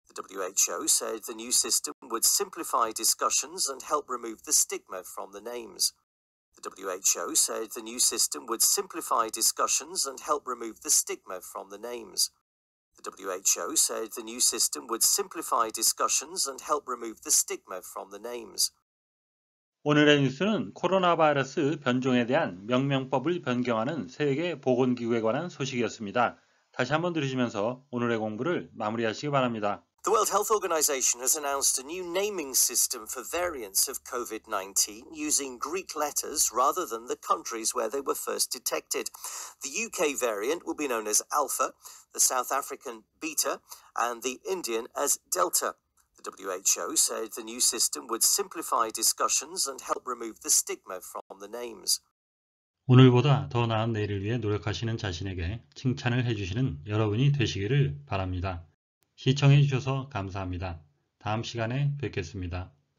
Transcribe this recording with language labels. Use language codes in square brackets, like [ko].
[en] WHO said the new system would simplify discussions and help remove the stigma from the names. The WHO said the new system would simplify discussions and help remove the stigma from the names. The WHO said the new system would simplify discussions and help remove the stigma from the names. [ko] 오늘의 뉴스는 코로나 바이러스 변종에 대한 명명법을 변경하는 세계 보건기구에 관한 소식이었습니다. 다시 한번 들으시면서 오늘의 공부를 마무리하시기 바랍니다. [en] The World Health Organization has announced a new naming system for variants of COVID-19 using Greek letters rather than the countries where they were first detected. The UK variant will be known as Alpha, the South African Beta, and the Indian as Delta. The WHO said the new system would simplify discussions and help remove the stigma from the names. [ko] 오늘보다 더 나은 내일을 위해 노력하시는 자신에게 칭찬을 해주시는 여러분이 되시기를 바랍니다. 시청해 주셔서 감사합니다. 다음 시간에 뵙겠습니다.